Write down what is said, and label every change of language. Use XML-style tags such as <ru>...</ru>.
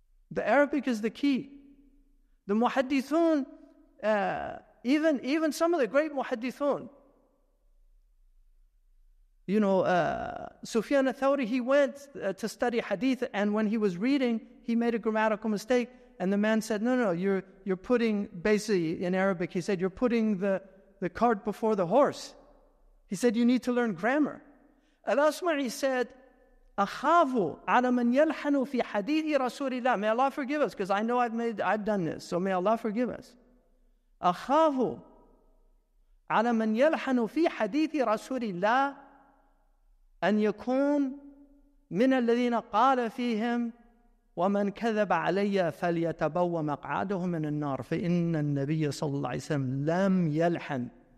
<en>The Arabic is the key. The muhaddithun, even some of the great muhaddithun, you know, Sufyan al-Thawri, he went to study hadith, and when he was reading, he made a grammatical mistake, and the man said, no, you're putting, basically in Arabic, he said, you're putting the cart before the horse. He said, you need to learn grammar. Al-Asma'i said,</en> <ar>أَخَافُ عَلَى مَنْ يَلْحَنُ فِي حَدِيثِ رَسُولِ اللَّهِ.</ar> <en>May Allah forgive us, because I know I've done this, so may Allah forgive us.</en> <ar>أَخَافُ عَلَى مَنْ يَلْحَنُ فِي حَدِيثِ رَسُولِ اللَّهِ أَنْ يَكُونَ مِنَ الَّذِينَ قَالَ فِيهِمْ وَمَنْ كَذَبَ عَلَيَّ فَلْيَتَبَوَّ مَقْعَدُهُ مِنَ النَّارِ فَإِنَّ النَّبِيَّ صَلَّى اللَّهُ عَلَيْهِ وَسَلَّمَ لَمْ يَلْحَنْ.</ar>